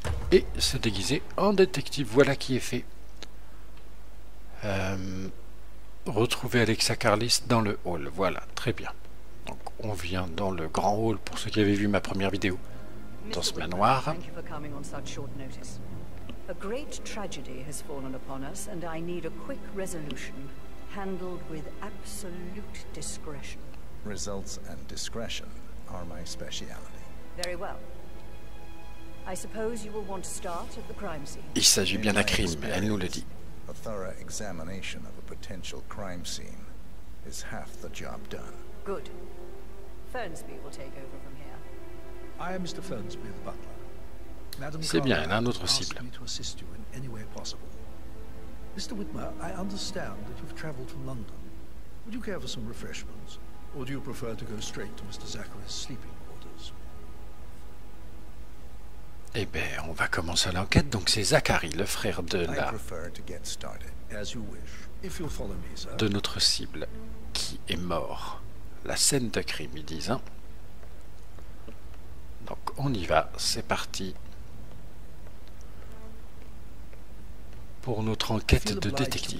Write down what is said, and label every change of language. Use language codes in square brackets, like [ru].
[fr] Et se déguiser en détective, voilà qui est fait. Retrouver Alexa Carlis dans le hall, voilà, très bien. Donc, on vient dans le grand hall, pour ceux qui avaient vu ma première vidéo. Dans ce manoir. [en] Thank you for coming on such short notice. A great tragedy has fallen upon us, and I need a quick resolution, handled with absolute discretion. Results and discretion are my speciality. Very well. I suppose you will want to start at the crime scene. [fr] Il s'agit bien d'un crime, elle nous le dit. [en] A thorough examination of a potential crime scene is half the job done. Good. Fernsby will take over from here. I am Mr. Fernsby, the butler. [fr] Madame C'est bien, elle a un autre cible. [en] Asked me to assist you in any way possible. Mr. Whitmer, I understand that you've traveled from London. Would you care for some refreshments, or do you prefer to go straight to Mr. Zachary's sleeping quarters? [fr] Eh bien, on va commencer l'enquête, donc c'est Zachary, le frère de la... [en] I prefer to get started, as you wish, if you'll follow me, sir. [fr] De notre cible, qui est mort. La scène de crime, ils disent, hein. Donc on y va, c'est parti. Pour notre enquête de détective.